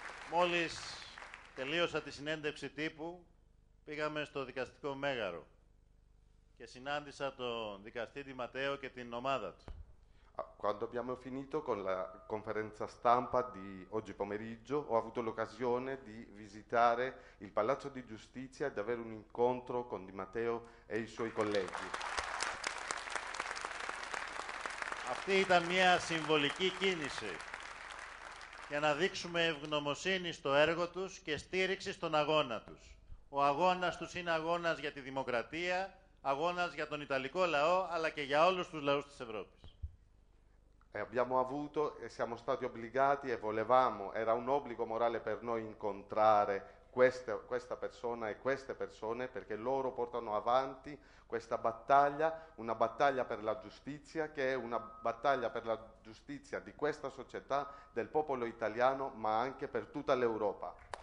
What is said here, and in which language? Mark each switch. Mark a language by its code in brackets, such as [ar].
[el] Μόλις τελείωσα τη συνέντευξη τύπου, πήγαμε στο δικαστικό μέγαρο και συνάντησα τον δικαστή Ντι Ματέο και την ομάδα του. [it] Quando abbiamo finito con la conferenza stampa di oggi pomeriggio, ho avuto l'occasione di visitare il Palazzo di Giustizia e di avere un incontro con Ντι Ματέο e i suoi colleghi. [el] Αυτή ήταν μια συμβολική κίνηση για να δείξουμε ευγνωμοσύνη στο έργο τους και στήριξη στον αγώνα τους. Ο αγώνας τους είναι αγώνας για τη δημοκρατία, αγώνας για τον Ιταλικό λαό, αλλά και για όλους τους λαούς της Ευρώπης. [it] Abbiamo avuto e siamo stati obbligati e volevamo, era un obbligo morale per noi incontrare questa persona e queste persone perché loro portano avanti questa battaglia, una battaglia per la giustizia che è una battaglia per la giustizia di questa società, del popolo italiano, ma anche per tutta l'Europa.